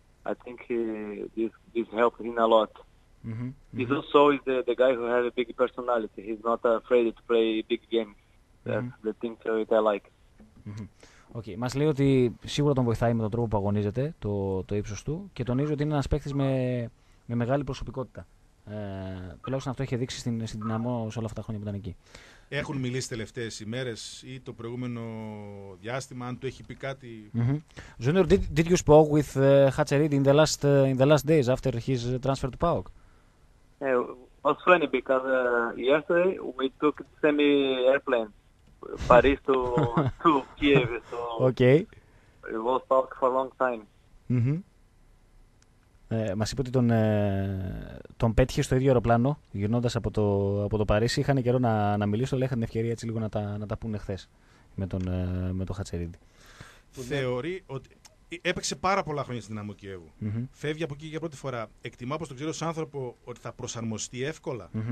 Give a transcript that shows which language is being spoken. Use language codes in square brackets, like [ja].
[en] I think this helped him a lot. He's also the guy who has a big personality. He's not afraid to play big games. The thing that I like. [el] Okay, μας λέει ότι σίγουρα τον βοηθάει με τον τρόπο που αγωνίζεται, το ύψος του, και τονίζει ότι είναι ένας παίκτης με μεγάλη προσωπικότητα. Τουλάχιστον αυτό έχει δείξει στην Δυναμό σε όλα αυτά τα χρόνια που ήταν εκεί. Έχουν μιλήσει τελευταίες ημέρες ή το προηγούμενο διάστημα, αν του έχει πει κάτι. [en] Junior, did you speak with Hatseridi in the last days after his transfer to PAOK? It was funny because yesterday we took the semi airplane Paris to Kiev. So okay. It was talk for a long time. [el] Μας είπε ότι τον πέτυχε στο ίδιο αεροπλάνο, γυρνώντας από το Παρίσι. Είχαν καιρό να μιλήσω, αλλά είχαν την ευκαιρία έτσι λίγο να τα πούνε χθες με τον Χατσερίδη. Θεωρεί ότι έπαιξε πάρα πολλά χρόνια στην Δυναμό Κιέβου. Φεύγει από εκεί για πρώτη φορά. Εκτιμά, όπως το ξέρω, σαν άνθρωπο, ότι θα προσαρμοστεί εύκολα.